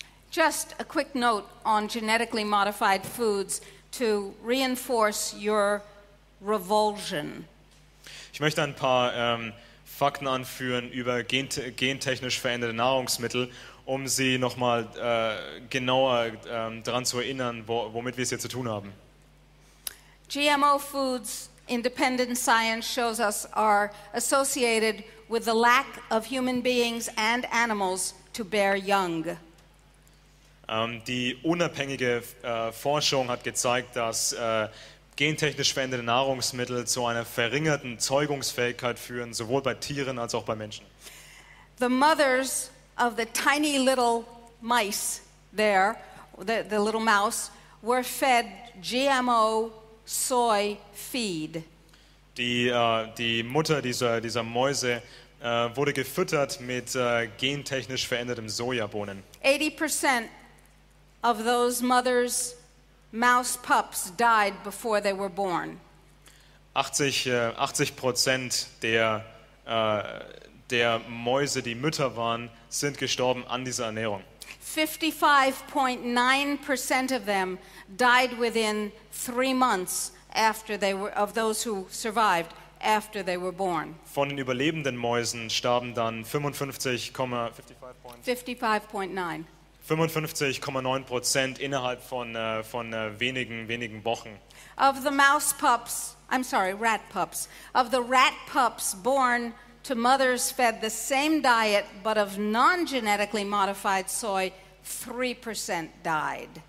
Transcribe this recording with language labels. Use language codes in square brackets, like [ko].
[en] Just a quick note on genetically modified foods to reinforce your revulsion. [de] Ich möchte ein paar Fakten anführen über gentechnisch veränderte Nahrungsmittel, um sie nochmal genauer daran zu erinnern, womit wir es hier zu tun haben. [en] GMO Foods, independent science shows us, are associated with the lack of human beings and animals to bear young. [de] Die unabhängige Forschung hat gezeigt, dass gentechnisch veränderte Nahrungsmittel zu einer verringerten Zeugungsfähigkeit führen, sowohl bei Tieren als auch bei Menschen. [en] The mothers of the tiny little mice there, the little mouse, were fed GMO soy feed. [de] Die Mutter dieser Mäuse wurde gefüttert mit gentechnisch verändertem Sojabohnen. [en] 80% of those mothers' mouse pups died before they were born. [de] 80% der Mäuse, die Mütter waren, sind gestorben an dieser Ernährung. [en] 55.9% of them died within 3 months of those who survived after they were born. [de] Von den überlebenden Mäusen starben dann 55,9% innerhalb von wenigen Wochen. [en] Of the mouse pups, I'm sorry, rat pups. Of the rat pups born to mothers fed the same diet but of non-genetically modified soy, 3% died.